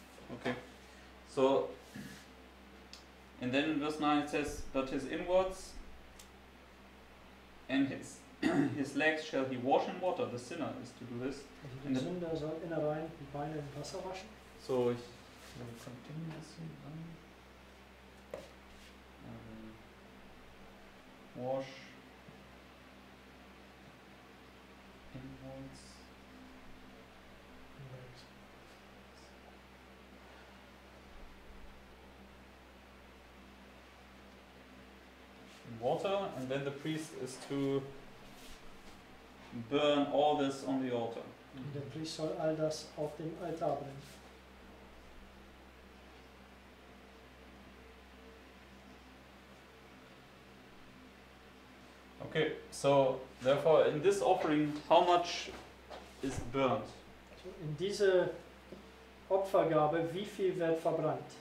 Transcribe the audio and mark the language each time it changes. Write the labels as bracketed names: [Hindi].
[English] Okay, so, and then in verse 9 it says, but his inwards and his his legs shall he wash in water. The sinner is to do this. [German] Also der Sünder soll innerein die Beine im Wasser waschen. So, ich will [English] continue this one. Wash inwards. Water, and then the priest is to burn all this on the altar. [German] Und der Priester soll all das auf dem Altar bringen. [English] Okay, so therefore in this offering, how much is burnt? [German] So in diese Opfergabe, wie viel wird verbrannt?